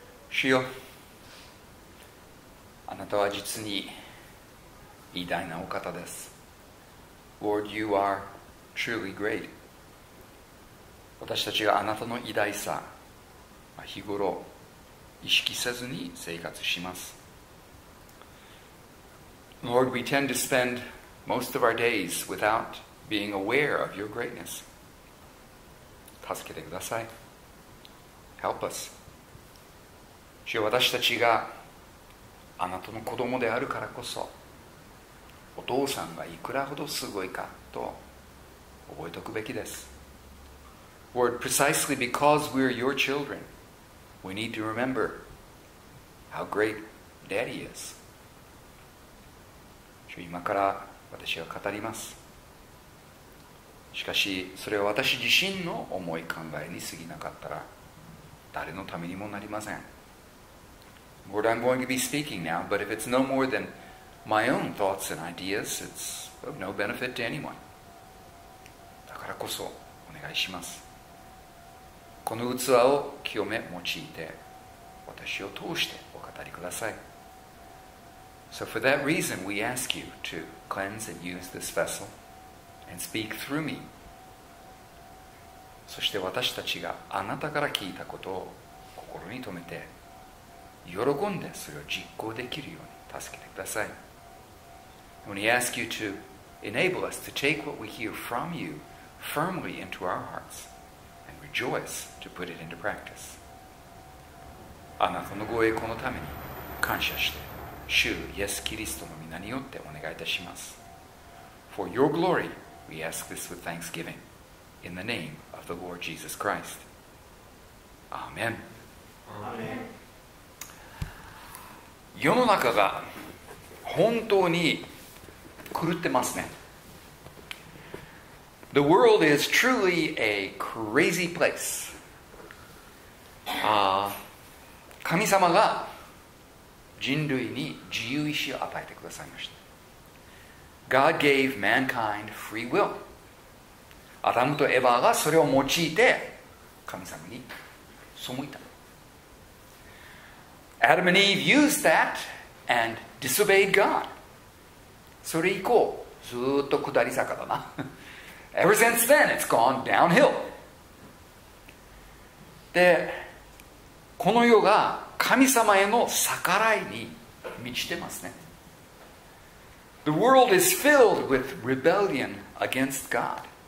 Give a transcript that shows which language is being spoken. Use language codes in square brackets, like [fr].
[ja] 主よ、あなたは実に偉大なお方です。 [en] Lord, you are truly great. [ja] 私たちがあなたの偉大さ、日頃意識せずに生活します。 [en] Lord, we tend to spend most of our days without being aware of your greatness. [ja] 助けてください。 [en] Help us. [ja] 主よ、私たちがあなたの子供であるからこそ、お父さんがいくらほどすごいかと覚えておくべきです。 [en] Lord, precisely because we're your children, we need to remember how great Daddy is. [ja] 主よ、今から私は語ります。しかし、それは私自身の思い考えに過ぎなかったら、誰のためにもなりません。 [en] Lord, I'm going to be speaking now, but if it's no more than my own thoughts and ideas, it's of no benefit to anyone. [ja] だからこそ、お願いします。この器を清め用いて、私を通してお語りください。 [en] So for that reason, we ask you to cleanse and use this vessel. And speak through me. [ja] そして私たちがあなたから聞いたことを心に留めて喜んでそれを実行できるように助けてください。 [en] When he asks you to enable us to take what we hear from you firmly into our hearts and rejoice to put it into practice. [ja] あなたのご栄光のために感謝して主イエスキリストの御名によってお願いいたします。 [en] For your glory. We ask this with thanksgiving in the name of the Lord Jesus Christ. Amen. Amen. [ja] 世の中が本当に狂ってますね。 [en] The world is truly a crazy place. [ja] 神様が人類に自由意志を与えてくださいました。 [en] God gave mankind free will. [ja] アダムとエヴァがそれを用いて神様に背いた。 [en] Adam and Eve used that and disobeyed God. [ja] それ以降ずっと下り坂だな。 [en] Ever since then, it's gone downhill. [ja] で、この世が神様への逆らいに満ちてますね。 [en] The world is filled with rebellion against God.